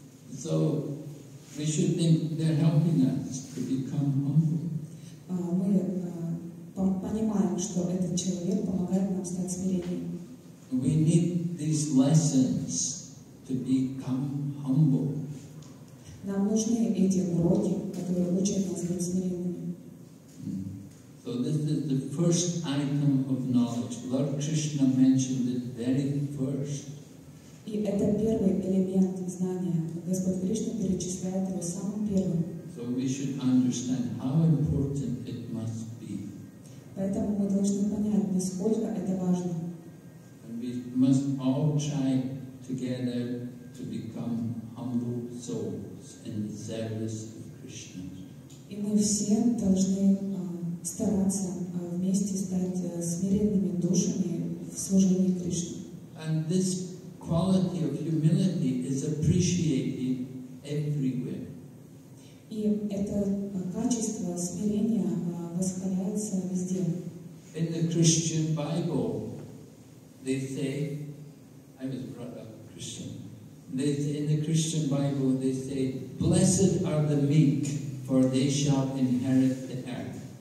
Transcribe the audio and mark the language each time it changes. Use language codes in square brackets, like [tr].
[en] So we should think they're helping us to become humble. [ru] Мы понимаем, что этот человек помогает нам стать смиренным. [en] We need these lessons to become humble. [ru] Нам нужны эти уроки, которые учат нас быть смиренными. [en] So this is the first item of knowledge. Lord Krishna mentioned it very first. [ru] И это первый элемент знания. Господь Кришна перечисляет его самым первым. [en] So we should understand how important it must be. [ru] Поэтому мы должны понять, насколько это важно. [en] And we must all try together to become humble souls in the service of Krishna. [ru] И мы все должны стараться вместе стать смиренными душами в служении Кришне. [en] And this quality of humility is appreciated everywhere. [ru] И это качество смирения восхваляется везде. [en] In the Christian Bible, they say, I was brought up Christian. In the Christian Bible, they say, "Blessed are the meek, for they shall inherit the earth."